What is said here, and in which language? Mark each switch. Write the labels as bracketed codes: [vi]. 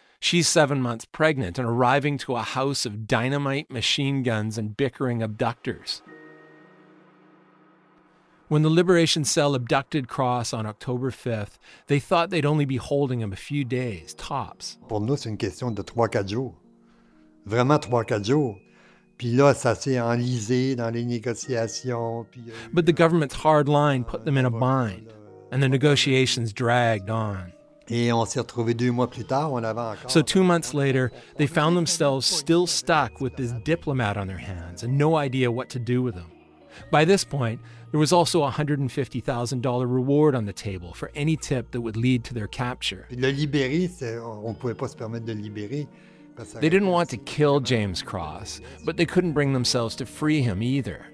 [en] She's 7 months pregnant and arriving to a house of dynamite, machine guns, and bickering abductors. When the Liberation Cell abducted Cross on October 5th, they thought they'd only be holding him a few days, tops. [fr] Pour nous, c'est une question de 3-4 jours. Vraiment 3-4 jours. Puis là, ça s'est enlisé dans les négociations. [en] But the government's hard line put them in a bind, and the negotiations dragged on. [fr] Et on s'est retrouvé 2 mois plus tard, on avait encore... [en] So 2 months later, they found themselves still stuck with this diplomat on their hands and no idea what to do with him. By this point, there was also a $150,000 reward on the table for any tip that would lead to their capture. They didn't want to kill James Cross, but they couldn't bring themselves to free him either.